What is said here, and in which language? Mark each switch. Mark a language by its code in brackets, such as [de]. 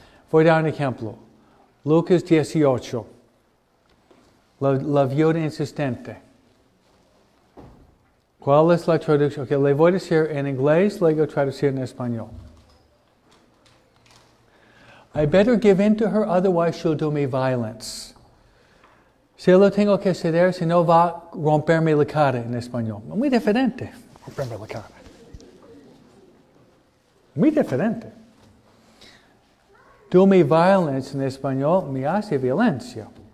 [es] Voy a dar un ejemplo. Lucas 18. La viuda insistente. ¿Cuál es la traducción? Ok, le voy a decir en inglés, le voy a traducir en español. [en] I better give in to her, otherwise she'll do me violence. [es] Si lo tengo que ceder, si no va a romperme la cara en español. Muy diferente. Romperme la cara. Muy diferente. [en] Do me violence [es] en español me hace violencia.